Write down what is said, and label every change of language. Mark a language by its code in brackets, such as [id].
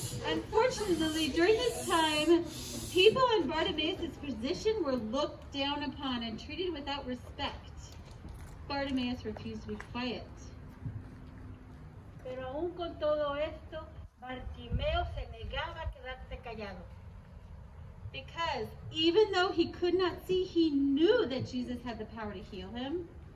[en] Unfortunately, during this time, people in Bartimaeus' position were looked down upon and treated without respect. Bartimaeus refused to be quiet. [es] Pero aún con todo esto, Bartimeo se negaba a quedarse callado. [en] Because even though he could not see, he knew that Jesus had the power to heal him.